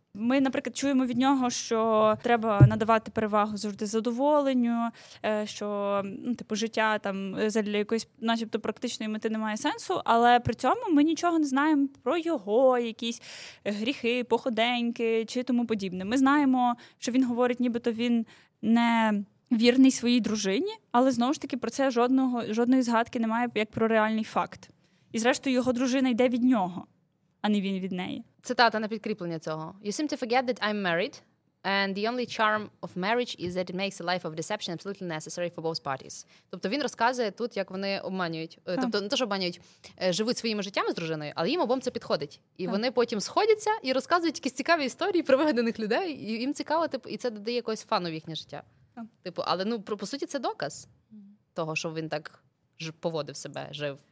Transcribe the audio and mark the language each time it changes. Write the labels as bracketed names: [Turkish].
[Ukrainian] Ми, наприклад, чуємо від нього, що треба надавати перевагу завжди задоволенню, що ну, типу, життя там задля якоїсь, начебто, практичної мети не має сенсу, але при цьому ми нічого не знаємо про його якісь гріхи, походеньки чи тому подібне. Ми знаємо, що він говорить, нібито він не вірний своїй дружині, але, знову ж таки, про це жодної згадки немає, як про реальний факт. І, зрештою, його дружина йде від нього, а не він від неї. Цитата на підкріплення цього. [English] You seem to forget that I'm married, and the only charm of marriage is that it makes a life of deception absolutely necessary for both parties. [Ukrainian] Тобто він розказує тут, як вони обманюють. Тобто не те, що обманюють, живуть своїми життями з дружиною, але їм обом це підходить. І вони потім сходяться і розказують якісь цікаві історії про вигаданих людей, і їм цікаво, типу, і це додає якогось фану в їхнє життя. Типу, але, ну, по суті, це доказ того, що він так поводив себе, жив.